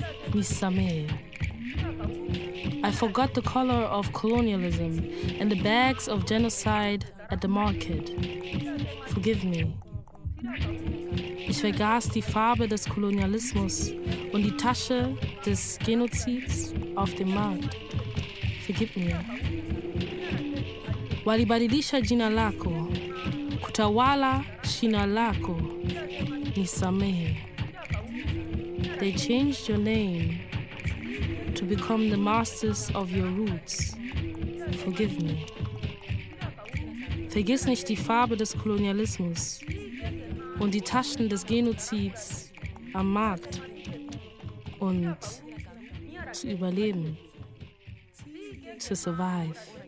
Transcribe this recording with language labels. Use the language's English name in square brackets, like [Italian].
[English] I forgot the color of colonialism and the bags of genocide at the market. Forgive me. [German] Ich vergaß die Farbe des Kolonialismus und die Tasche des Genozids auf dem Markt. [English] Forgive me. [Swahili] Walibadilisha jina lako, kutawala shina lako. Nisamehe. [English] They changed your name to become the masters of your roots. Forgive me. [German] Vergiss nicht die Farbe des Kolonialismus und die Taschen des Genozids am Markt und zu überleben, [English] to survive.